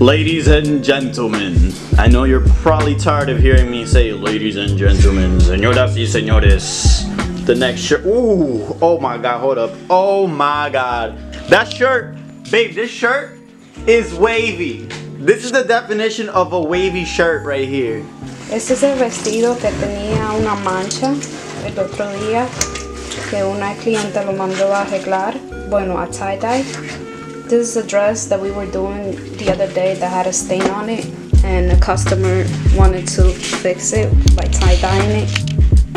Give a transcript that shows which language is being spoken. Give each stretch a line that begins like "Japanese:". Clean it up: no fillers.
English: Ladies and gentlemen, I know you're probably tired of hearing me say ladies and gentlemen,
Spanish: señoras y señores.
English: The next shirt, ooh, oh my God, hold up. Oh my God. That shirt, babe, this shirt is wavy. This is the definition of a wavy shirt right here.
Spanish: Este es el vestido que tenía una mancha el otro día que una cliente lo mandó a arreglar, bueno, a tie-dye.
English: This is a dress that we were doing the other day that had a stain on it, and a customer wanted to fix it by tie-dyeing it.